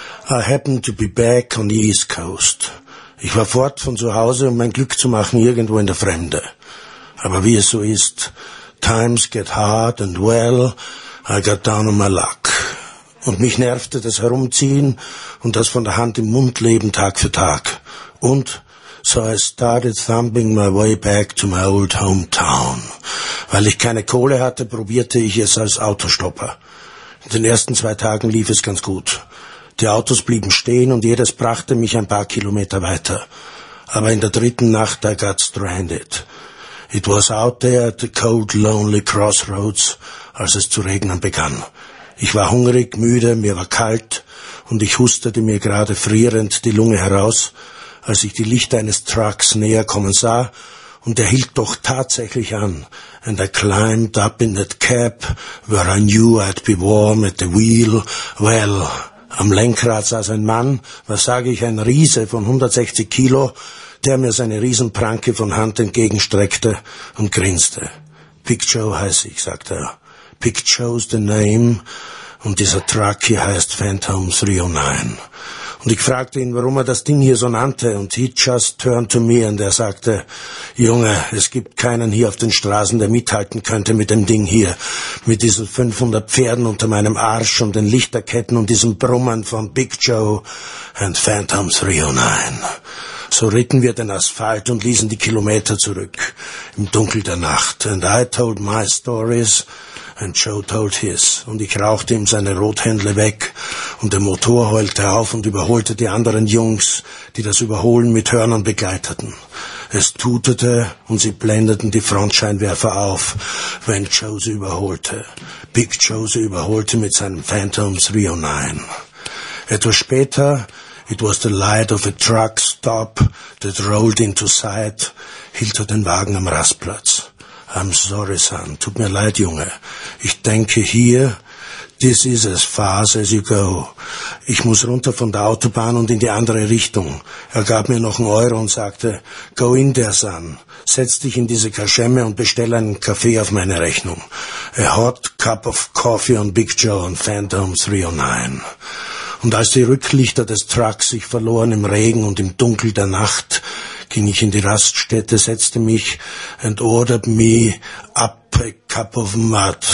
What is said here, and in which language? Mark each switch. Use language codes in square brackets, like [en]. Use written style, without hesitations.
[en] I happen to be back on the East Coast. [de] Ich war fort von zu Hause, um mein Glück zu machen, irgendwo in der Fremde. Aber wie es so ist, [en] times get hard and well, I got down on my luck. [de] Und mich nervte das Herumziehen und das von der Hand im Mund leben Tag für Tag. Und so [en] I started thumping my way back to my old hometown. [de] Weil ich keine Kohle hatte, probierte ich es als Autostopper. In den ersten zwei Tagen lief es ganz gut. Die Autos blieben stehen und jedes brachte mich ein paar Kilometer weiter. Aber in der dritten Nacht, [en] I got stranded. It was out there at the cold, lonely crossroads, [de] als es zu regnen begann. Ich war hungrig, müde, mir war kalt und ich hustete mir gerade frierend die Lunge heraus, als ich die Lichter eines Trucks näher kommen sah und er hielt doch tatsächlich an. [en] And I climbed up in that cab, where I knew I'd be warm at the wheel. [de] Well, am Lenkrad saß ein Mann, was sage ich, ein Riese von 160 Kilo, der mir seine Riesenpranke von Hand entgegenstreckte und grinste. Big Joe heiß ich, sagte er. [en] Big Joe's the name [de] und dieser Truck hier heißt Phantom 309. Und ich fragte ihn, warum er das Ding hier so nannte und [en] he just turned to me [de] und er sagte, Junge, es gibt keinen hier auf den Straßen, der mithalten könnte mit dem Ding hier, mit diesen 500 Pferden unter meinem Arsch und den Lichterketten und diesem Brummen von Big Joe and Phantom 309. So ritten wir den Asphalt und ließen die Kilometer zurück im Dunkel der Nacht. [en] And I told my stories and Joe told his. [de] Und ich rauchte ihm seine Rothändle weg und der Motor heulte auf und überholte die anderen Jungs, die das Überholen mit Hörnern begleiteten. Es tutete und sie blendeten die Frontscheinwerfer auf, wenn Joe sie überholte. Big Joe sie überholte mit seinem Phantom 309. Etwas später, [en] it was the light of a truck stop that rolled into sight, [de] hielt er den Wagen am Rastplatz. [en] I'm sorry, son. [de] Tut mir leid, Junge. Ich denke hier, [en] this is as far as you go. [de] Ich muss runter von der Autobahn und in die andere Richtung. Er gab mir noch 1 Euro und sagte, [en] go in there, son. [de] Setz dich in diese Kaschemme und bestell einen Kaffee auf meine Rechnung. [en] A hot cup of coffee on Big Joe on Phantom 309. [de] Und als die Rücklichter des Trucks sich verloren im Regen und im Dunkel der Nacht, ging ich in die Raststätte, setzte mich [en] and ordered me up a cup of mud.